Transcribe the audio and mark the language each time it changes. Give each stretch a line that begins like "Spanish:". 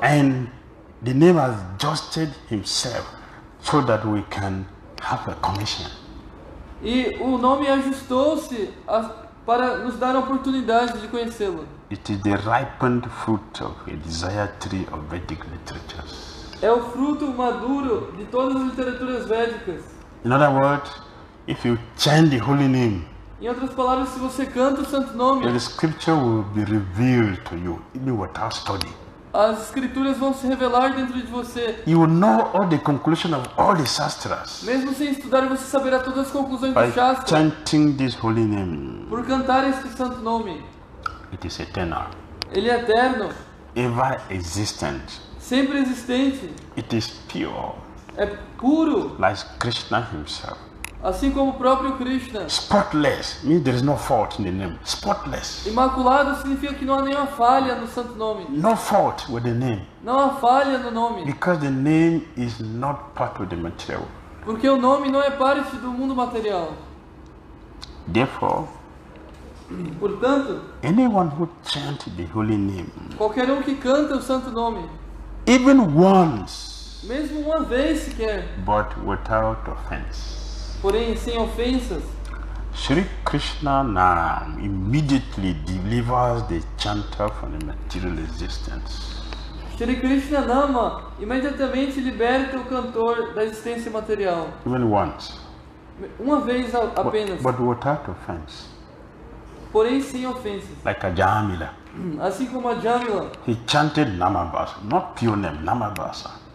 English: And the name has adjusted himself so that we can have a commission.
Portuguese: E o nome ajustou-se para nos dar a oportunidade de conhecê-lo.
English: It is the ripened fruit of a desire tree of Vedic literatures.
Portuguese: É o fruto maduro de todas as literaturas védicas.
English: In other words, if you chant the holy name,
Portuguese: em outras palavras, se você canta o santo nome,
English: the scripture will be revealed to you in your study.
Portuguese: As escrituras vão se revelar dentro de você.
English: You will know all the conclusion of all the shastras.
Portuguese: Mesmo sem estudar, você saberá todas as conclusões dos shastras.
English: By chanting this holy name,
Portuguese: por cantar este santo nome,
English: it is eternal.
Portuguese: Ele é eterno.
English: Ever existent.
Portuguese: Sempre existente.
English: It is pure.
Portuguese: É puro.
English: Like Krishna himself.
Portuguese: Assim como o próprio Krishna.
English: Spotless means there is no fault in the name. Spotless.
Portuguese: Imaculado significa que não há nenhuma falha no santo nome.
English: No fault with the name.
Portuguese: Não há falha no nome.
English: Because the name is not part of the material.
Portuguese: Porque o nome não é parte do mundo material.
English: Therefore,
Portuguese: portanto,
English: anyone who chants the holy name,
Portuguese: qualquer um que canta o santo nome,
English: even once,
Portuguese: mesmo uma vez sequer,
English: but without offense,
Portuguese: porém sem ofensas,
English: Sri Krishna Nam immediately delivers the chanter from the material existence.
Portuguese: Sri Krishna Nama imediatamente liberta o cantor da existência material.
English: Even once.
Portuguese: Uma vez apenas.
English: But without offense.
Portuguese: Porém sem ofensas.
English: Like a Jamila.
Portuguese: Assim como a Jamila.
English: He chanted Namabasa, not pure name, Namabasa.